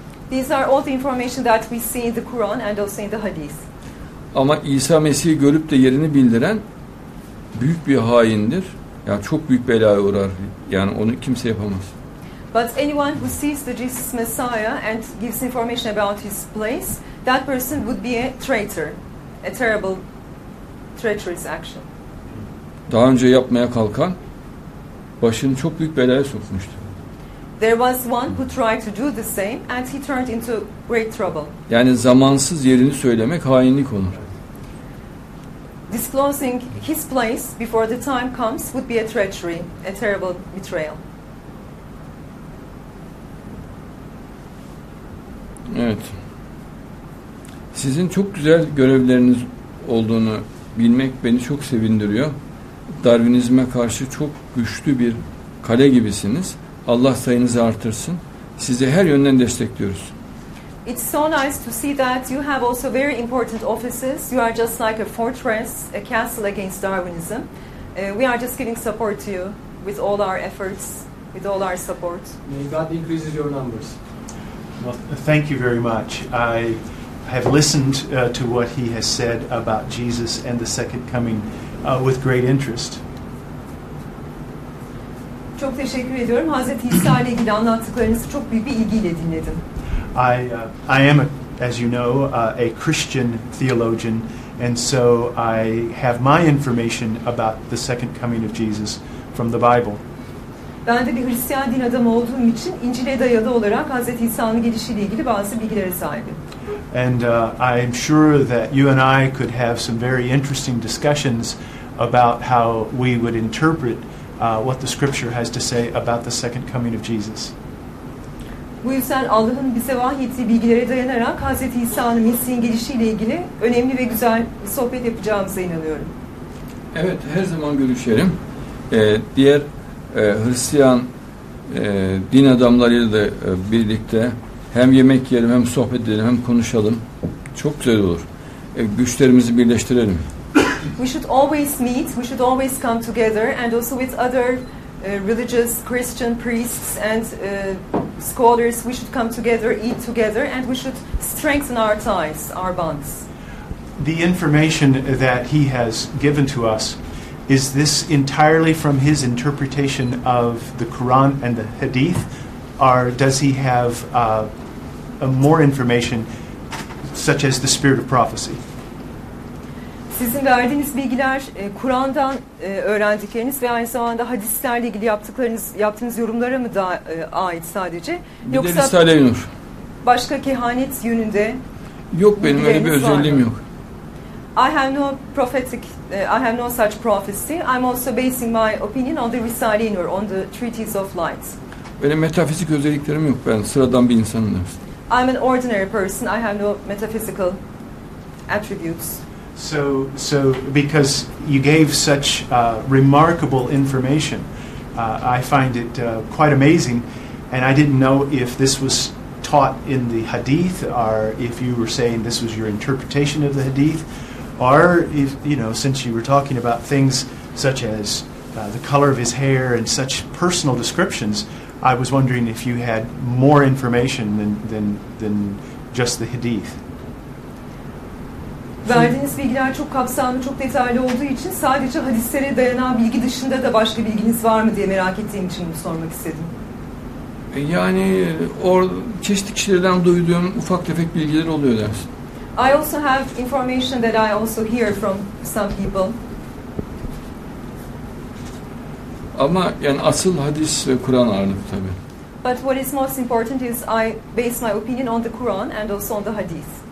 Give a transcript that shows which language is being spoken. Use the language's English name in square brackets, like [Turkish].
[English] These are all the information that we see in the Quran and also in the hadith. [Turkish] Ama İsa Mesih'i görüp de yerini bildiren büyük bir haindir. Ya yani çok büyük belaya uğrar. Yani onu kimse yapamaz. [English] But anyone who sees the Jesus Messiah and gives information about his place, that person would be a traitor. A terrible, treacherous action. [Turkish] Daha önce yapmaya kalkan başını çok büyük belaya sokmuştu. [English] There was one who tried to do the same and he turned into great trouble. [Turkish] Yani zamansız yerini söylemek hainlik olur. [English] Disclosing his place before the time comes would be a treachery, a terrible betrayal. [Turkish] Evet. Sizin çok güzel görevleriniz olduğunu bilmek beni çok sevindiriyor. Darwinizme karşı çok güçlü bir kale gibisiniz. Allah sayınızı artırsın. Sizi her yönden destekliyoruz. [English] It's so nice to see that you have also very important offices. You are just like a fortress, a castle against Darwinism. We are just giving support to you with all our efforts, with all our support. May God increase your numbers. Well, thank you very much. I have listened to what he has said about Jesus and the second coming with great interest. [Turkish] Çok teşekkür ediyorum. Hazreti İsa ile ilgili anlattıklarınızı çok büyük bir ilgiyle dinledim. [English] I am, as you know, a Christian theologian, and so I have my information about the second coming of Jesus from the Bible. [Turkish] Ben de bir Hristiyan din adamı olduğum için İncil'e dayalı olarak Hazreti İsa'nın gelişiyle ilgili bazı bilgilere sahibim. [English] And I'm sure that you and I could have some very interesting discussions about how we would interpret what the scripture has to say about the second coming of Jesus. [Turkish] Bu yüzden Allah'ın bize vahyettiği bilgilere dayanarak Hazreti İsa'nın Mesih'in gelişiyle ilgili önemli ve güzel bir sohbet yapacağımıza inanıyorum. Evet, her zaman görüşelim. Diğer Hristiyan din adamlarıyla da birlikte hem yemek yiyelim, hem sohbet edelim, hem konuşalım. Çok güzel olur. Güçlerimizi birleştirelim. [English] We should always meet, we should always come together and also with other religious Christian priests and scholars, we should come together, eat together and we should strengthen our ties, our bonds. The information that he has given to us, is this entirely from his interpretation of the Quran and the Hadith, or does he have more information such as the spirit of prophecy? [Turkish] Sizin verdiğiniz bilgiler Kur'an'dan öğrendikleriniz ve aynı zamanda hadislerle ilgili yaptığınız yorumlara mı da ait sadece? Bir yoksa Risale-i Nur. Başka kehanet yönünde? Yok, benim öyle bir özelliğim yok. [English] I have no such prophecy. I'm also basing my opinion on the Risale-i Nur, on the treatise of light. [Turkish] Benim metafizik özelliklerim yok. Ben sıradan bir insanım. [English] I'm an ordinary person. I have no metaphysical attributes. So because you gave such remarkable information, I find it quite amazing, and I didn't know if this was taught in the hadith, or if you were saying this was your interpretation of the hadith, or if, you know, since you were talking about things such as the color of his hair and such personal descriptions, I was wondering if you had more information than just the hadith. [Turkish] Verdiğiniz bilgiler çok kapsamlı, çok detaylı olduğu için sadece hadislere dayanan bilgi dışında da başka bilginiz var mı diye merak ettiğim için bunu sormak istedim. Yani çeşitli kişilerden duyduğum ufak tefek bilgiler oluyor dersin. [English] I also have information that I also hear from some people. [Turkish] Ama yani asıl hadis ve Kur'an ağırlıklı tabii. [English] But what is most important is I base my opinion on the Quran and also on the hadith.